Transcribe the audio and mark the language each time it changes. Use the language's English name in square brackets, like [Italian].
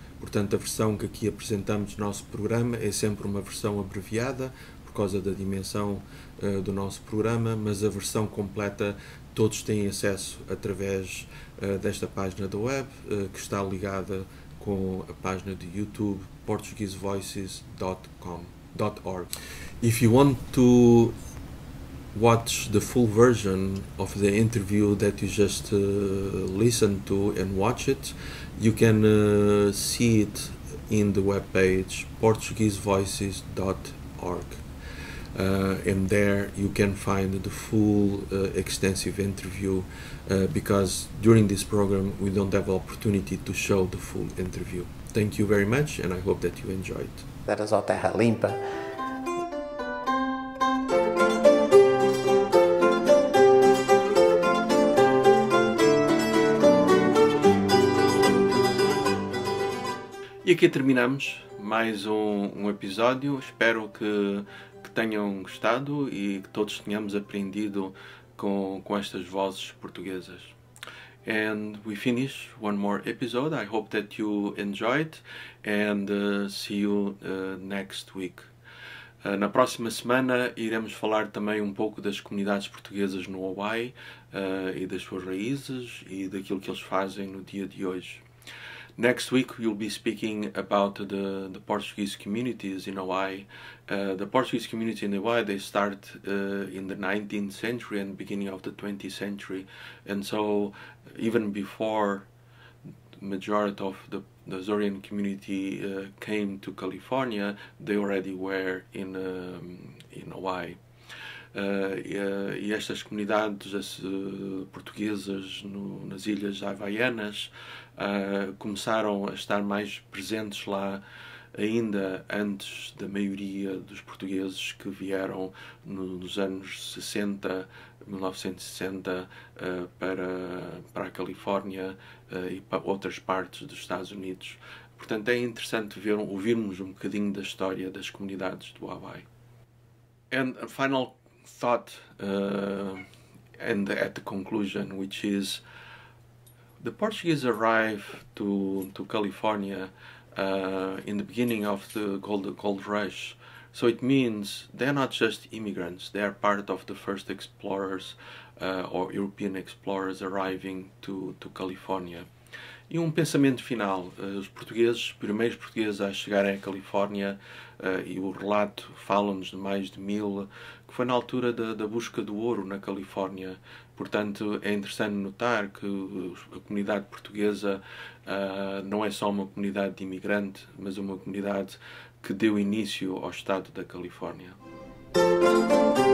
[Portuguese] Portanto, a versão que aqui apresentamos no nosso programa é sempre uma versão abreviada por causa da dimensão do nosso programa, mas a versão completa todos têm acesso através desta página da web que está ligada com a página do YouTube portuguesevoices.com.org. [English] If you want to watch the full version of the interview that you just listened to and watch it, you can see it in the webpage portuguesevoices.org. And there you can find the full extensive interview because during this program we don't have opportunity to show the full interview. Thank you very much and I hope that you enjoyed. That is all [Portuguese] terra limpa. E aqui terminamos mais um episódio. Espero que tenham gostado e que todos tenhamos aprendido com estas vozes portuguesas. [English] And we finish one more episode. I hope that you enjoyed and see you next week. [Portuguese] Na próxima semana iremos falar também um pouco das comunidades portuguesas no Hawaii e das suas raízes e daquilo que eles fazem no dia de hoje. [English] Next week we'll be speaking about the Portuguese communities in Hawaii. The Portuguese community in Hawaii, they start in the 19th century and beginning of the 20th century. And so even before the majority of the Azorean community came to California, they already were in Hawaii. [Portuguese] E estas comunidades portuguesas nas ilhas havaianas começaram a estar mais presentes lá ainda antes da maioria dos portugueses que vieram nos anos 60, 1960, para a Califórnia e para outras partes dos Estados Unidos. Portanto, é interessante ouvirmos um bocadinho da história das comunidades do Hawaii. [English] And a final thought, and at the conclusion, which is, The Portuguese arrived to California in the beginning of the Gold Rush. So it means they're not just immigrants, they are part of the first explorers or European explorers arriving to California. [Portuguese] E um pensamento final, os portugueses, os primeiros portugueses a chegarem à Califórnia, e o relato fala-nos de mais de 1000, que foi na altura da busca do ouro na Califórnia. Portanto, é interessante notar que a comunidade portuguesa não é só uma comunidade de imigrante, mas uma comunidade que deu início ao estado da Califórnia.